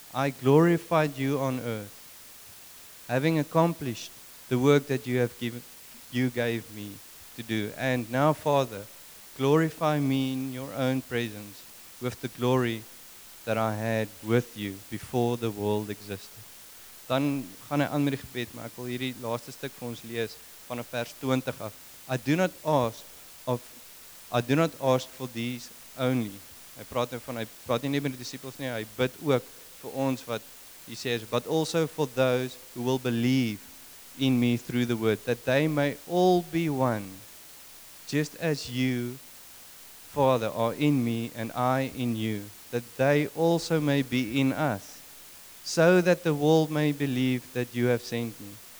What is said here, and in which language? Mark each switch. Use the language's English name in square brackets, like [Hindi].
[English] I glorified you on earth, having accomplished the work that you gave me to do. And now, Father, glorify me in your own presence with the glory that I had with you before the world existed. [Afrikaans] Dan gaan hy aan met die gebed, maar ek wil hierdie laaste stuk vir ons lees van vers 20 af. [English] I do not ask for these only. [Afrikaans] Hy praat nie met die disciples nie, hy bid ook vir ons wat [English] he says, but also for those who will believe in me through the word, that they may all be one, just as you, Father, are in me and I in you, that they also may be in us, so that the world may believe that you have sent me.